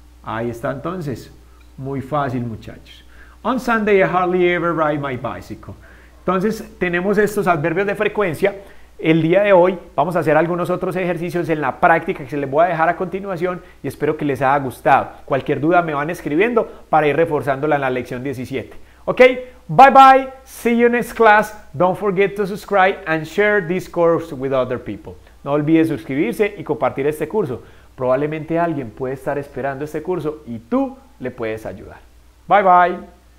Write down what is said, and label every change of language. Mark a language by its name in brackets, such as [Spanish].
[Spanish] Ahí está entonces. Muy fácil, muchachos. [English] On Sunday, I hardly ever ride my bicycle. [Spanish] Entonces, tenemos estos adverbios de frecuencia. El día de hoy vamos a hacer algunos otros ejercicios en la práctica que se les voy a dejar a continuación y espero que les haya gustado. Cualquier duda me van escribiendo para ir reforzándola en la lección 17. [English] Ok, bye bye, see you next class. Don't forget to subscribe and share this course with other people. [Spanish] No olvides suscribirse y compartir este curso. Probablemente alguien puede estar esperando este curso y tú le puedes ayudar. Bye bye.